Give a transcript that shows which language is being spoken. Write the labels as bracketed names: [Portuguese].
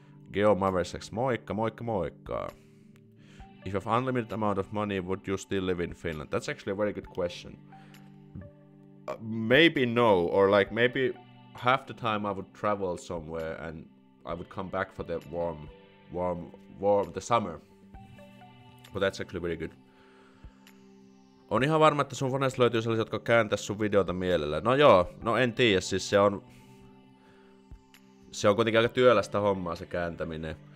[Finnish] Geo Maversex, moikka, moikka, moikka. [English] If you have unlimited amount of money, would you still live in Finland? That's actually a very good question. Maybe no, or like maybe half the time I would travel somewhere and I would come back for the warm the summer. But that's actually really good. [Finnish] On ihan varma, että sun fanes löytyy sellaiset, jotka kääntäis sun videota mielellä. No joo, no en tiedä, siis se on kuitenkin aika työlästä hommaa se kääntäminen.